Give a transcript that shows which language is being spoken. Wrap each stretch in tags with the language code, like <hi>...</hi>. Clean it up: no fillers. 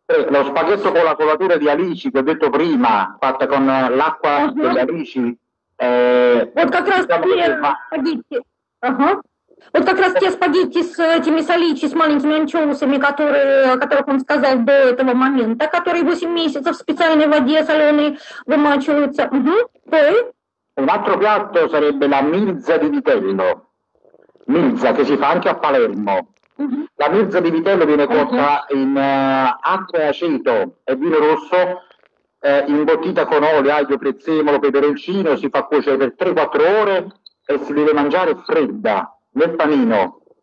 <it>Lo spaghetto con la colatura di alici che ho detto prima, fatta con l'acqua delle alici.</it> <ru>Вот как раз diciamo, Вот как раз те спагетти с этими соличи, с маленькими анчоусами, которые, о которых он сказал до этого момента, которые 8 месяцев в специальной воде соленой вымачиваются. Угу. Poi?</ru> <it>Un altro piatto sarebbe la mirza di vitello. Mirza che si fa anche a Palermo. La mirza di vitello viene cotta in acqua e aceto e vino rosso, imbottita con olio, aglio, prezzemolo, peperoncino, si fa cuocere per 3-4 ore e si deve mangiare fredda, nel panino.</it>